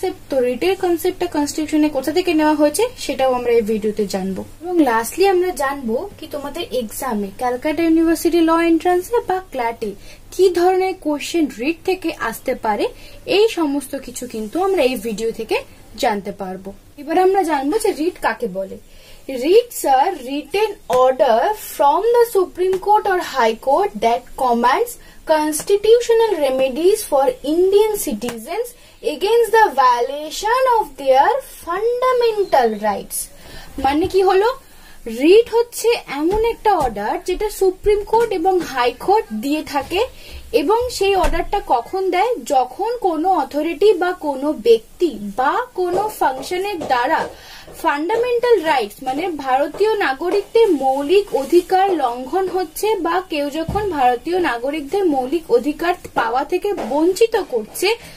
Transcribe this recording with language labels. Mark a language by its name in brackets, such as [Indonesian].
[Bangla] তো রিটের কনসেপ্টটা কনস্টিটিউশনে কোথা থেকে নেওয়া হয়েছে সেটাও আমরা এই ভিডিওতে জানবো। এবং লাস্টলি আমরা জানবো কি তোমাদের এক্সামে ক্যালকাটা ইউনিভার্সিটি ল এন্ট্রান্সে বা ক্ল্যাটে কি ধরনের কোয়েশ্চেন রিট থেকে আসতে পারে, এই সমস্ত কিছু কিন্তু আমরা এই ভিডিও থেকে জানতে পারবো। এবার আমরা জানবো যে রিট কাকে বলে। [English] Writs are written order from the Supreme Court or High Court that commands constitutional remedies for Indian citizens against the violation of their fundamental rights. [Bangla] মানে কি হলো, রিট হচ্ছে এমন একটা অর্ডার যেটা সুপ্রিম কোর্ট এবং হাই কোর্ট দিয়ে থাকে, এবং সেই অর্ডারটা কখন দেয়, যখন কোনো অথরিটি বা কোনো ব্যক্তি বা কোনো ফাংশনের দ্বারা ফান্ডামেন্টাল রাইটস মানে ভারতীয় নাগরিকদের মৌলিক অধিকার লঙ্ঘন হচ্ছে, বা কেউ যখন ভারতীয় নাগরিকদের মৌলিক অধিকার পাওয়া থেকে বঞ্চিত করছে,